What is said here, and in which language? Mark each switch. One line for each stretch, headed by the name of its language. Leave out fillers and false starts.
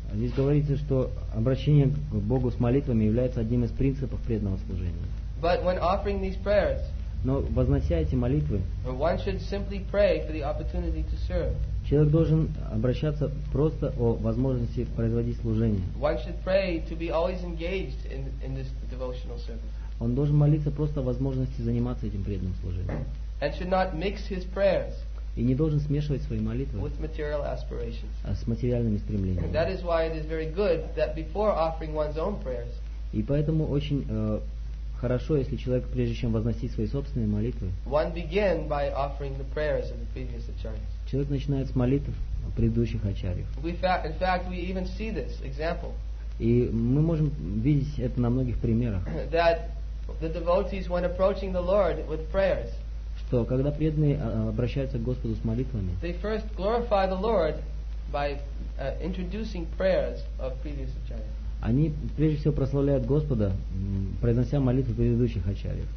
Russian: Здесь говорится, что обращение к Богу с молитвами является одним из принципов преданного служения.
English: But when offering these prayers,
Russian: но вознося эти молитвы,
English: one should simply pray for the opportunity to serve.
Russian: Человек должен обращаться просто о возможности производить служение.
English: One should pray to be always engaged in this devotional service.
Russian: Он должен молиться просто о возможности заниматься этим преданным служением.
English: And should not mix his prayers.
Russian: И не должен смешивать свои молитвы
English: with material aspirations.
Russian: А с материальными стремлениями.
English: And that is why it is very good that before offering one's own prayers.
Russian: И поэтому очень хорошо, если человек, прежде чем возносить свои собственные молитвы,
English: one begin by offering the prayers of the previous acharyas.
Russian: Человек начинает с молитв предыдущих ачарьев.
English: In fact, we even see this example.
Russian: И мы можем видеть это на многих примерах.
English: The devotees, when approaching the Lord with prayers,
Russian: что когда преданные обращаются к Господу с молитвами,
English: they first glorify the Lord by introducing prayers of previous acharyas.
Russian: Они прежде всего прославляют Господа, произнося молитвы предыдущих ачарьев.